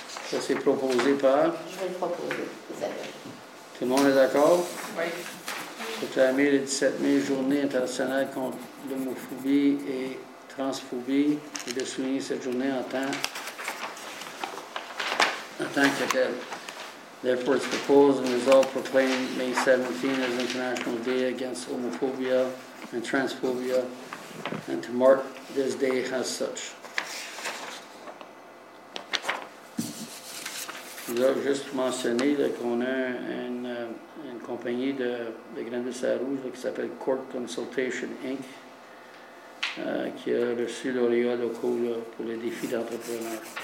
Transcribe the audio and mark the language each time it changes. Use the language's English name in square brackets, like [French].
[French] Ça, c'est proposé par. Je vais le proposer. Tout le monde est d'accord? Oui. Proclamer le 17 mai Journée internationale contre l'homophobie et transphobie et de souligner cette journée en temps. [English] Thank you, Ted. Therefore, it's proposed and resolved proclaimed May 17 as International Day Against Homophobia and Transphobia, and to mark this day as such. [French] Je veux juste mentionner là, qu'on a une compagnie de Grande-Sarrouge qui s'appelle Court Consultation Inc., qui a reçu l'Oréa local pour les défis d'entrepreneurs.